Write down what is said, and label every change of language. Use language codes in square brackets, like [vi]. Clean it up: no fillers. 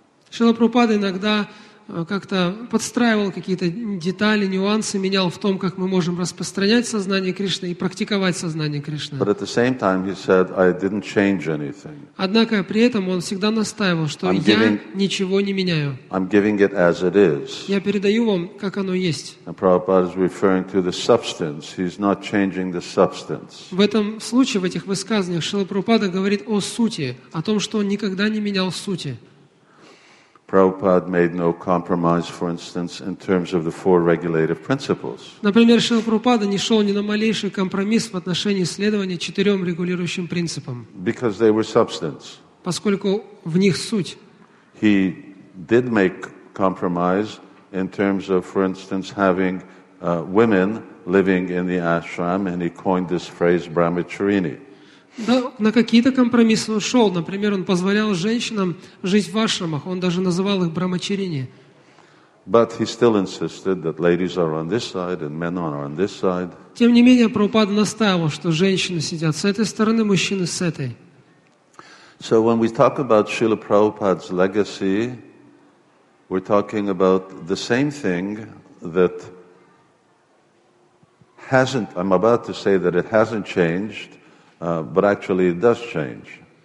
[ru] Шрила Прабхупада иногда как-то подстраивал какие-то детали, нюансы, менял в том, как мы можем распространять сознание Кришны и практиковать сознание Кришны. [en] But at the same time he said, I didn't change anything. [ru] Однако при этом он всегда настаивал, что я ничего не меняю. [en] I'm giving it as it is. [ru] Я передаю вам, как оно есть. [en] And Prabhupada is referring to the substance. He's not changing the substance. [ru] В этом случае, в этих высказаниях, Шрила Прабхупада говорит о сути, о том, что он никогда не менял сути. [en] Prabhupada made no compromise, for instance, in terms of the four regulative principles. [ru] Например, Шрила Прабхупада не шел ни на малейший компромисс в отношении следования четырем регулирующим принципам. [en] Because they were substance. [ru] Поскольку в них суть. [en] He did make compromise in terms of, for instance, having women living in the ashram, and he coined this phrase brahmacharini. [ru] Да, на какие-то компромиссы он шел. Например, он позволял женщинам жить в ашрамах. Он даже называл их брахмачарини. [en] But he still insisted that ladies are on this side and men are on this side. [ru] Тем не менее, Прабхупада настаивал, что женщины сидят с этой стороны, мужчины с этой. [en] So when we talk about Srila Prabhupada's legacy, we're talking about the same thing that hasn't, I'm about to say that it hasn't changed. But actually it does change.